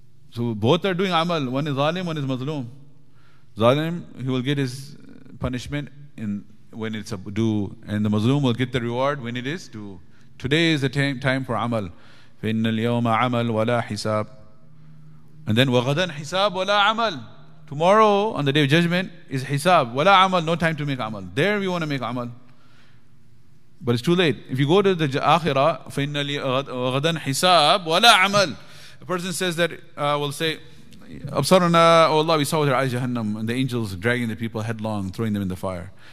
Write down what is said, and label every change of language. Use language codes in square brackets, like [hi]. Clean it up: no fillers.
[en] So both are doing amal, one is zalim, one is mazlum. Zalim, he will get his punishment in when it's due, and the mazlum will get the reward when it is due. Today is the time for amal. [ar] فَإِنَّ الْيَوْمَ عَمَلْ وَلَا حِسَابٍ. [en] And then [ar] وَغَدًا حِسَابٌ وَلَا عَمَلٌ. [en] Tomorrow on the day of judgment is hisab, wala amal, no time to make amal. There we want to make amal, but it's too late. If you go to the akhirah, [ar] فَإِنَّ الْغَدًا حِسَابٌ وَلَا عَمَلٌ. [en] A person says that, will say, أَبْصَرْنَا, O Allah, we saw with our eyes Jahannam, and the angels dragging the people headlong, throwing them in the fire.